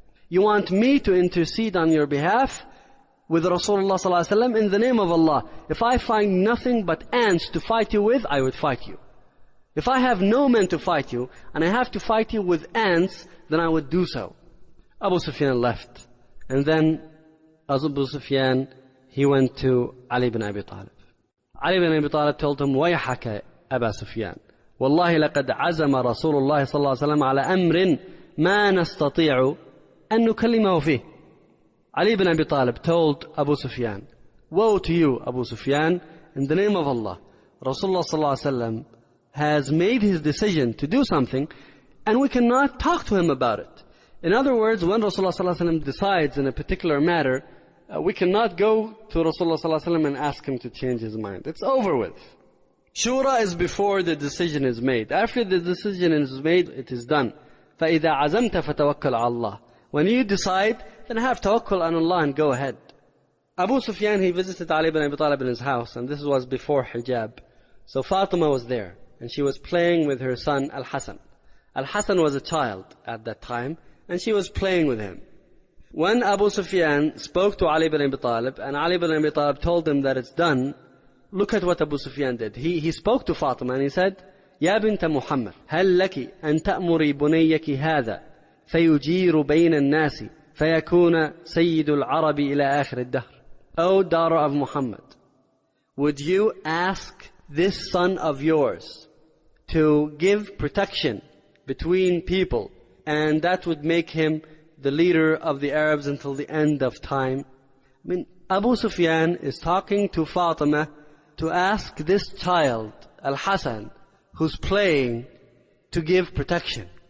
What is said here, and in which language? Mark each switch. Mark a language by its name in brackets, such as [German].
[English] You want me to intercede on your behalf with Rasulullah sallallahu alayhi wa sallam, in the name of Allah, if I find nothing but ants to fight you with, I would fight you. If I have no men to fight you, and I have to fight you with ants, then I would do so. Abu Sufyan left, And then Abu Sufyan, he went to Ali ibn Abi Talib. [Arabic] Ali ibn Abi Talib [English] told him, [Arabic] وَيَحَكَ أَبَا سُفْيَانَ والله لقد عزم رسول الله صلى الله عليه وسلم على أمر ما نستطيع أن نكلمه فيه. [English] علي بن أبي طالب told أبو سفيان, woe to you أبو سفيان, in the name of Allah, رسول الله صلى الله عليه وسلم has made his decision to do something and we cannot talk to him about it. In other words, when رسول الله صلى الله عليه وسلم decides in a particular matter, we cannot go to رسول الله صلى الله عليه وسلم and ask him to change his mind. It's over with. Shura is before the decision is made. After the decision is made, it is done. [Arabic] فَإِذَا عَزَمْتَ فَتَوَكَّلْ عَلَى اللَّهِ. [English] When you decide, then have tawakkul on Allah and go ahead. Abu Sufyan, he visited Ali ibn Abi Talib in his house, and this was before hijab. So Fatima was there, and she was playing with her son Al-Hasan. Al-Hasan was a child at that time, and she was playing with him. When Abu Sufyan spoke to Ali ibn Abi Talib, and Ali ibn Abi Talib told him that it's done, look at what Abu Sufyan did. He spoke to Fatima and he said, [Arabic] يَا بِنْتَ مُحَمَّدْ هَلْ لَكِ أَنْ تَأْمُرِي بُنَيَّكِ هَذَا فَيُجِيرُ بَيْنَ النَّاسِ فَيَكُونَ سَيِّدُ الْعَرَبِ إِلَىٰ آخِرِ الدَّهْرِ. [English] O daughter of Muhammad, would you ask this son of yours to give protection between people and that would make him the leader of the Arabs until the end of time? I mean, Abu Sufyan is talking to Fatima to ask this child, Al-Hasan, who's playing, to give protection.